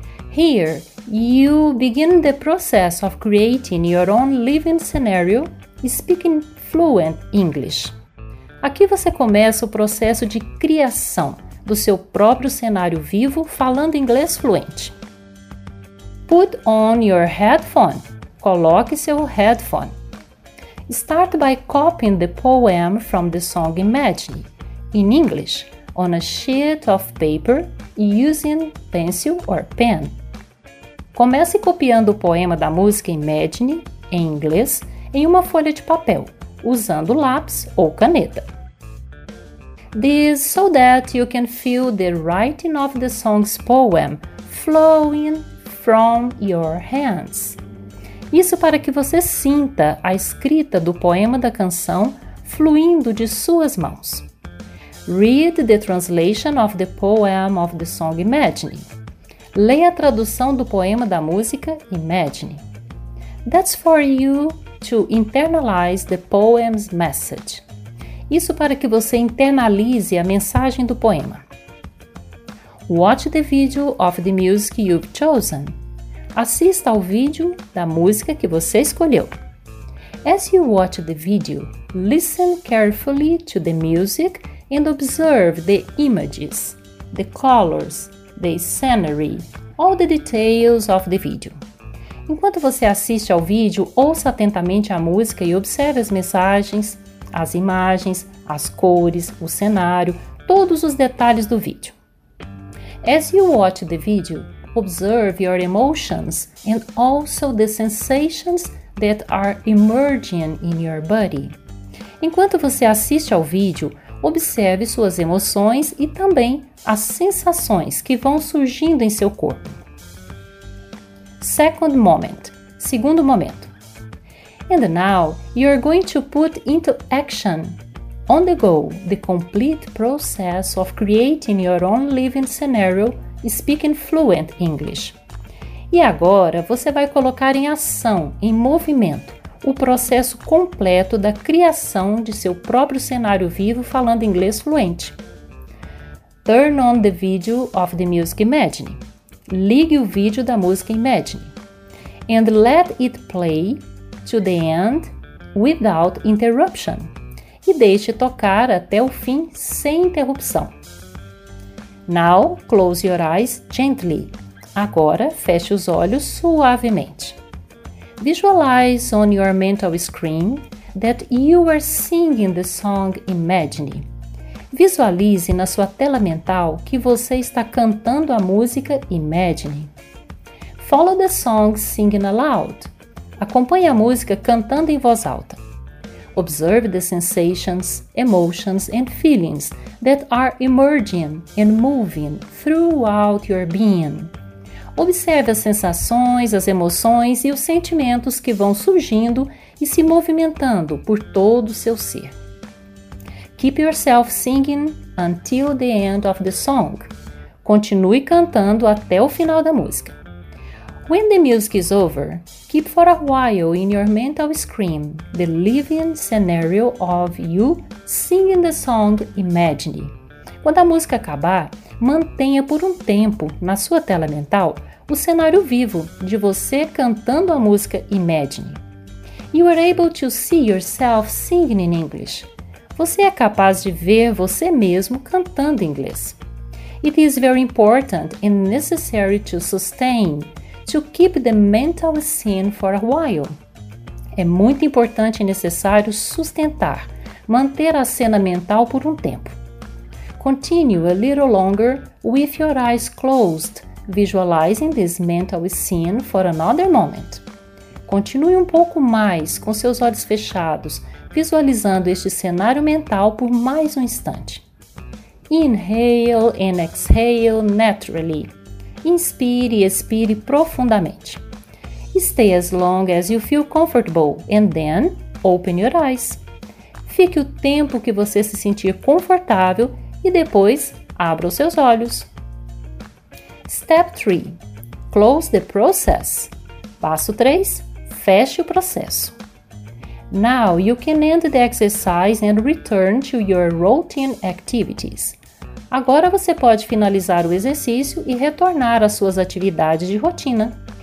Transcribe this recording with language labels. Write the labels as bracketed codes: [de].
[en] Here, you begin the process of creating your own living scenario, speaking fluent English. [pt] Aqui você começa o processo de criação do seu próprio cenário vivo falando inglês fluente. [en] Put on your headphone. [pt] Coloque seu headphone. [en] Start by copying the poem from the song Imagine, in English, on a sheet of paper, using pencil or pen. [pt] Comece copiando o poema da música Imagine, em inglês, em uma folha de papel, usando lápis ou caneta. [en] This so that you can feel the writing of the song's poem flowing from your hands. [pt] Isso para que você sinta a escrita do poema da canção fluindo de suas mãos. [en] Read the translation of the poem of the song Imagine. [pt] Leia a tradução do poema da música Imagine. [en] That's for you to internalize the poem's message. [pt] Isso para que você internalize a mensagem do poema. [en] Watch the video of the music you've chosen. [pt] Assista ao vídeo da música que você escolheu. [en] As you watch the video, listen carefully to the music and observe the images, the colors, the scenery, all the details of the video. [pt] Enquanto você assiste ao vídeo, ouça atentamente a música e observe as mensagens, as imagens, as cores, o cenário, todos os detalhes do vídeo. [en] As you watch the video, observe your emotions and also the sensations that are emerging in your body. [pt] Enquanto você assiste ao vídeo, observe suas emoções e também as sensações que vão surgindo em seu corpo. [en] Second moment. [pt] Segundo momento. [en] And now, you are going to put into action, on the go, the complete process of creating your own living scenario, speaking fluent English. [pt] E agora, você vai colocar em ação, em movimento, o processo completo da criação de seu próprio cenário vivo falando inglês fluente. [en] Turn on the video of the music Imagine. [pt] Ligue o vídeo da música Imagine. [en] And let it play to the end without interruption. [pt] E deixe tocar até o fim sem interrupção. [en] Now close your eyes gently. [pt] Agora feche os olhos suavemente. [en] Visualize on your mental screen that you are singing the song Imagine. [pt] Visualize na sua tela mental que você está cantando a música Imagine. [en] Follow the song singing aloud. [pt] Acompanhe a música cantando em voz alta. [en] Observe the sensations, emotions and feelings that are emerging and moving throughout your being. [pt] Observe as sensações, as emoções e os sentimentos que vão surgindo e se movimentando por todo o seu ser. [en] Keep yourself singing until the end of the song. [pt] Continue cantando até o final da música. [en] When the music is over, keep for a while in your mental screen the living scenario of you singing the song Imagine. [pt] Quando a música acabar, mantenha por um tempo na sua tela mental o cenário vivo de você cantando a música Imagine. [en] You are able to see yourself singing in English. [pt] Você é capaz de ver você mesmo cantando em inglês. [en] It is very important and necessary to sustain, to keep the mental scene for a while. [pt] É muito importante e necessário sustentar, manter a cena mental por um tempo. [en] Continue a little longer with your eyes closed, visualizing this mental scene for another moment. [pt] Continue um pouco mais com seus olhos fechados, visualizando este cenário mental por mais um instante. [en] Inhale and exhale naturally. [pt] Inspire e expire profundamente. [en] Stay as long as you feel comfortable and then open your eyes. [pt] Fique o tempo que você se sentir confortável e depois abra os seus olhos. [en] Step 3. Close the process. [pt] Passo 3. Feche o processo. Now you can end the exercise and return to your routine activities. Agora você pode finalizar o exercício e retornar às suas atividades de rotina.